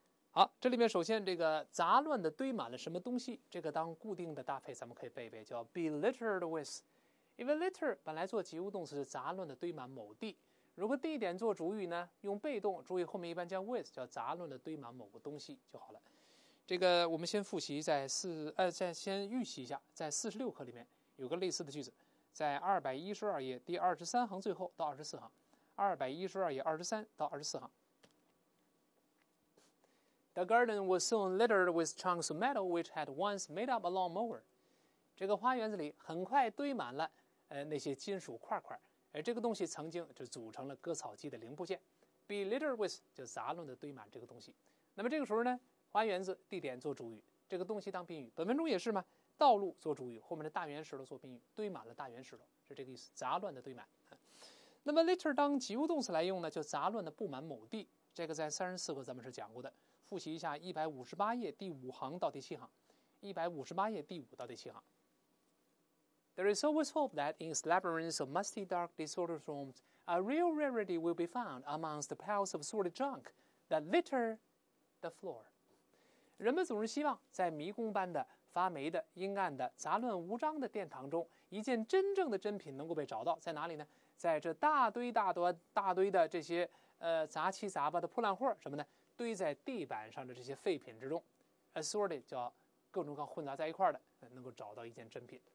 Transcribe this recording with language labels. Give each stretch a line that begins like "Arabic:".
Chinese: 好，这里面首先这个杂乱的堆满了什么东西，这个当固定的搭配咱们可以背一背，叫 be littered with， 因为 litter 本来做及物动词是杂乱的堆满某地，如果地点做主语呢，用被动，注意后面一般加 with， 叫杂乱的堆满某个东西就好了。这个我们先复习，先预习一下，在46课里面有个类似的句子，在212页第23行最后到24行，212页23到24行。
English: The garden was soon littered with chunks of metal which had once made up a lawnmower。
Chinese: 这个花园子里很快堆满了，那些金属块块。这个东西曾经就组成了割草机的零部件 ，be littered with 就杂乱的堆满这个东西。那么这个时候呢，花园子地点做主语，这个东西当宾语。本文中也是嘛，道路做主语，后面的大圆石头做宾语，堆满了大圆石头是这个意思，杂乱的堆满。那么 litter 当及物动词来用呢，就杂乱的布满某地。这个在34课咱们是讲过的，复习一下158页第五行到第七行，158页第五到第七行。
English: There is always hope that in labyrinths of musty, dark, disordered rooms, a real rarity will be found amongst the piles of sordid junk that litter the floor.
Chinese: 人们总是希望在迷宫般的、发霉的、阴暗的、杂乱无章的殿堂中，一件真正的珍品能够被找到。在哪里呢？在这大堆大多大堆的这些杂七杂八的破烂货什么呢？堆在地板上的这些废品之中 ，a sordid 叫各种各混杂在一块的，能够找到一件珍品。